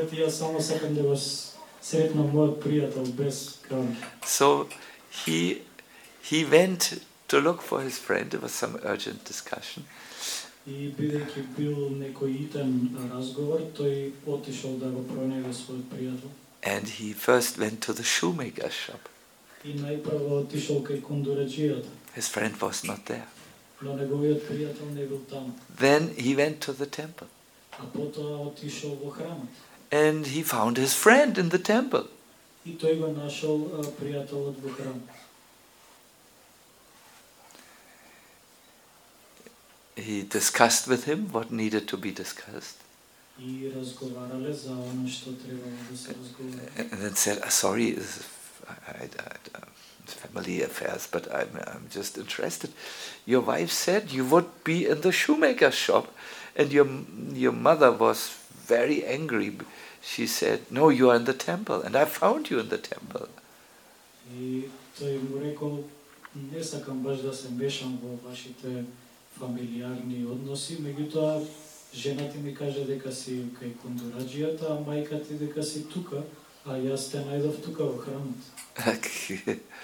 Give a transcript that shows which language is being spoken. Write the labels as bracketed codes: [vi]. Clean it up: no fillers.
[mk] Само сакам да вас сретна мојот пријател без кон. [en] So he went to look for his friend. It was some urgent discussion. [mk] И бидејќи бил некој итен разговор, тој отишол да го пронајде својот пријател. [en] And he first went to the shoemaker's shop. [mk] И најпрво отишол кај кондураџијата. [en] His friend was not there. [mk] Но неговиот пријател не бил таму. [en] Then he went to the temple. [mk] A potoa otišao vo hram. [en] And he found his friend in the temple. [mk] И тој го нашол пријателот во храм. [en] He discussed with him what needed to be discussed. [mk] И разговарале за оно што требало да се разговара. [en] And then said, "Sorry, it's family affairs, but I'm just interested. Your wife said you would be in the shoemaker's shop, and your mother was very angry. She said, 'No, you are in the temple, and I found you in the temple.'" [mk] И тој му рекол, не сакам баш да се мешам во вашите фамилијарни односи, меѓутоа жена ти ми каже дека си кај кондураџијата, а мајка ти дека си тука, а јас те најдов тука во храмот.